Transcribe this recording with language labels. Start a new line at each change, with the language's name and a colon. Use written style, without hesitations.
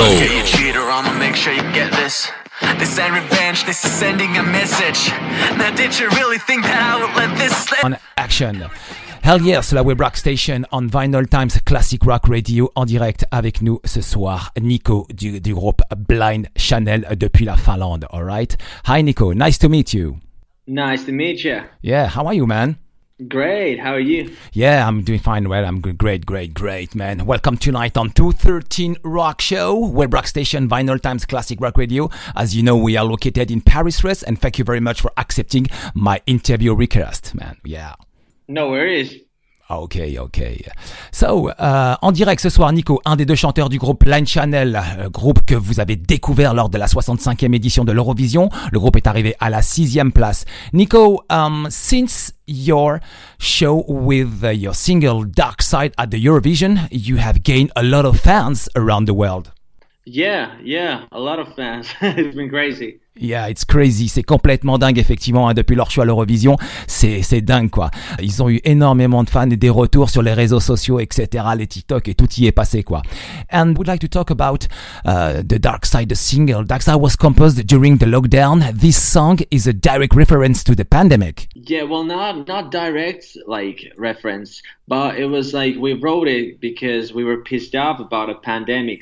English: Okay, you cheater, I'ma make sure you get this. This ain't revenge, this is sending a message. Now did you really think that I would let this slip? On action. Hell yes,
French: la Web Rock Station on Vinyl Times Classic Rock Radio en direct avec nous ce soir, Nico du groupe Blind Channel depuis la Finlande, alright?
English: Hi Nico, nice to meet you. Nice to meet you. Yeah, how are you, man? Great, how are you? Yeah, I'm doing fine, well, I'm great, great, great, man. Welcome tonight on 213 Rock Show, Web Rock Station, Vinyl Times Classic Rock Radio. As you know, we are located in Paris, West, and thank you very much for accepting my interview request, man, yeah. No worries. Okay.
French: So, en direct ce soir, Nico, un des deux chanteurs du groupe Blind Channel, groupe que vous avez découvert lors de la 65e édition de l'Eurovision. Le groupe est arrivé à la 6e place.
English: Nico, since your show with your single Dark Side at the Eurovision, you have gained a lot of fans around the world. Yeah, a lot of fans. It's been crazy. Yeah, it's crazy.
French: C'est complètement dingue, effectivement, hein, depuis leur choix à l'Eurovision. C'est dingue, quoi. Ils ont eu énormément de fans et des retours sur les réseaux sociaux, etc., les TikTok, et tout y est passé, quoi.
English: And we'd like to talk about the Dark Side, the single. Dark Side was composed during the lockdown. This song is a direct reference to the pandemic. Yeah, well, not direct, like, reference, but it was like we wrote it because we were pissed off about a pandemic.